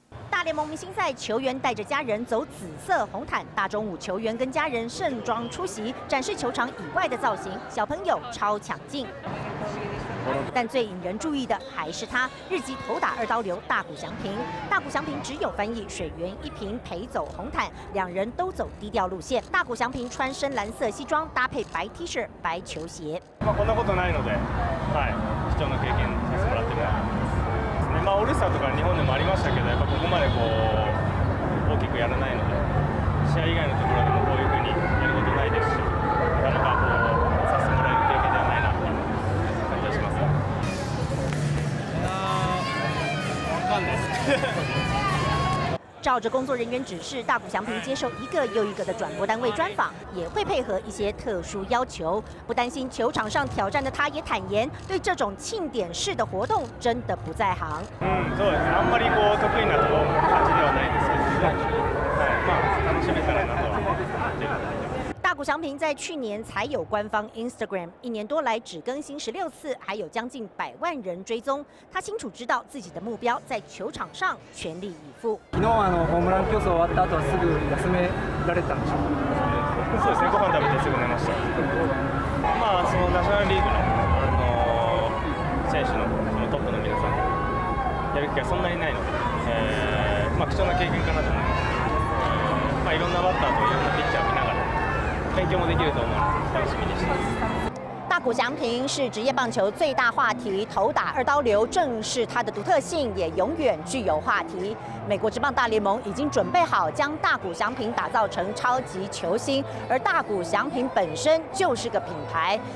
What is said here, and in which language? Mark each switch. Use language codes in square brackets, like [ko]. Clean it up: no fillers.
[zh] 大联盟明星赛，球员带着家人走紫色红毯，大中午球员跟家人盛装出席，展示球场以外的造型，小朋友超抢镜。但最引人注意的还是他日籍投打二刀流大谷翔平。大谷翔平只有翻译水原一平陪走红毯，两人都走低调路线。大谷翔平穿深蓝色西装，搭配白 T 恤、白球鞋。 [ja] まあこんなことないので、はい、貴重な経験させてもらってます。オールスターとか日本でもありましたけど、やっぱここまでこう大きくやらないので、試合以外のところでもこういう風にやることないですし、なかなかこうさせてもらえる経験ではないなと感じがします。わかんない。 [zh] 照着工作人员指示，大谷翔平接受一个又一个的转播单位专访，也会配合一些特殊要求。不担心球场上挑战的他，也坦言对这种庆典式的活动真的不在行。 [ja] 嗯，そうですね。あんまりこう得意なとこ感じではないですけど、はい、まあ楽しめたらなと。 [zh] 大谷翔平在去年才有官方 Instagram， 一年多来只更新16次，还有将近百万人追踪。他清楚知道自己的目标在球场上全力以赴。 [ja] 昨日ホームラン競争終わった後はすぐ休められたんでしょう。そうですね。ご飯食べてすぐ寝ました。まあそのナショナルリーグの選手のそのトップの皆さんやる気がそんなにないので、まあ貴重な経験かなと思います。まあいろんなバッターといろんなピッチャーを見ながら。 [zh] 大谷翔平是职业棒球最大话题，投打二刀流正是他的独特性，也永远具有话题。美国职棒大联盟已经准备好将大谷翔平打造成超级球星，而大谷翔平本身就是个品牌。